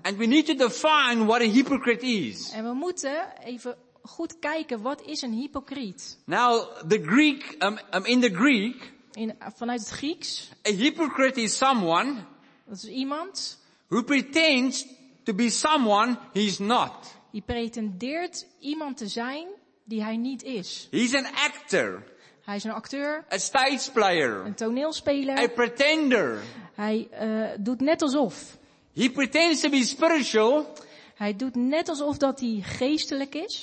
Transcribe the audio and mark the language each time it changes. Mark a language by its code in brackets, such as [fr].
[en] And we need to define what a hypocrite is. [nl] En we moeten even goed kijken wat is een hypocriet. [en] Now the Greek, in the Greek. [nl] Vanuit het Grieks. [en] A hypocrite is someone. [nl] Dat is iemand. [en] Who pretends to be someone he is not. [nl] Die pretendeert iemand te zijn die hij niet is. [en] He's an actor. [nl] Hij is een acteur. [en] A stage player. [nl] Een toneelspeler. [en] A pretender. [nl] Hij doet net alsof. [en] He pretends to be spiritual. [nl] Hij doet net alsof dat hij geestelijk is.